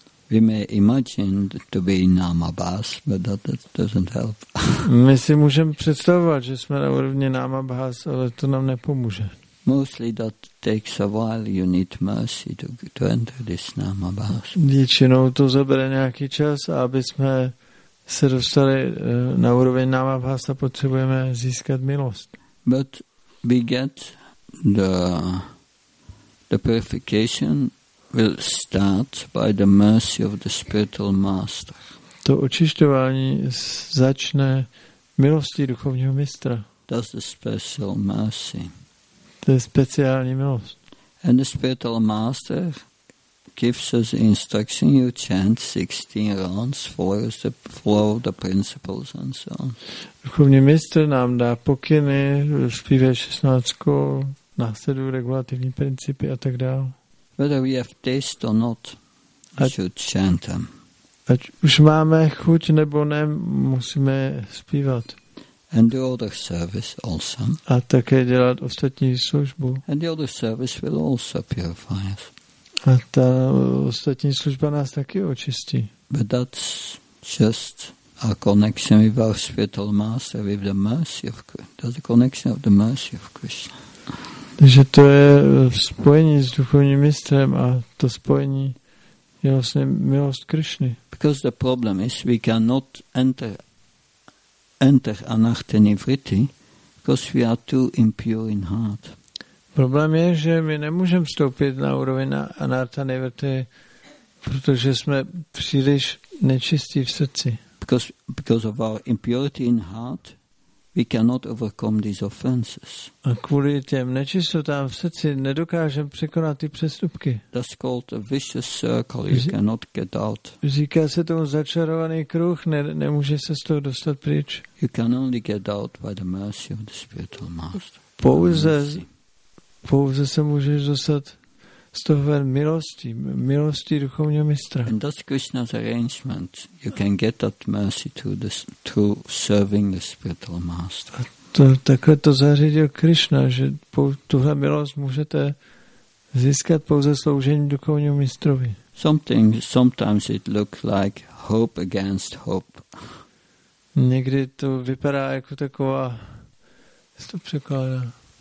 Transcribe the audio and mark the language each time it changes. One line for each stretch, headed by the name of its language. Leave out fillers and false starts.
English: We may imagine to be in Namabhas, but that doesn't help.
Czech: My si můžeme představovat, že jsme na úrovni Namabhas, ale to nám nepomůže.
English: Mostly that takes a while, you need mercy to enter this Namabhas.
Czech: Většinou to zabere nějaký čas, aby jsme se dostali na úroveň Namabhas a potřebujeme získat milost.
English: But we get the purification will start by the mercy of the spiritual master.
Czech: To očišťování začne milostí duchovního mistra.
English: That's the special mercy.
Czech: To je speciální milost.
English: And the spiritual master gives us instruction, you chant 16 rounds, follows the flow of the principles and so on.
Czech: Duchovní mistr nám dá pokyny, zpívej 16, následuj regulativní principy a tak dále.
English: Whether we have taste or not, we should chant them.
Czech: Ať už máme chuť nebo ne, musíme zpívat.
English: And the other service also.
Czech: A také dělat ostatní službu.
English: And the other service will also purify us.
Czech: A ta ostatní služba nás taky očistí.
English: But that's just a connection with our spiritual master, with the mercy of Krishna. That's the connection of the mercy of Krishna.
Czech: Že to je spojení s duchovním mistrem a to spojení je vlastně milost Krišny.
English: Because the problem is we cannot enter anahata nivritti because we are too impure in heart.
Czech: Problém je, že my nemůžeme vstoupit na úroveň anahata nivritti, protože jsme příliš nečistí v srdci.
English: Because of our impurity in heart, we cannot overcome these offenses.
Czech: A kvůli těm nečistotám v srdci nedokážeme překonat ty přestupky.
English: That's called a vicious circle. You cannot get out.
Czech: Říká se tomu začarovaný kruh, nemůže se z toho dostat pryč.
English: You can only get out by the mercy of the spiritual master.
Czech: Pouze se můžeš dostat z toho ven milosti duchovního mistra.
English: And that's Krishna's arrangement. You can get that mercy through serving the spiritual master.
Czech: Takhle to zařídil Krishna, že tuhle milost můžete získat pouze sloužením duchovního mistrovi.
English: Sometimes it looks like hope against hope.
Czech: Někdy to vypadá jako taková, jak to překládá?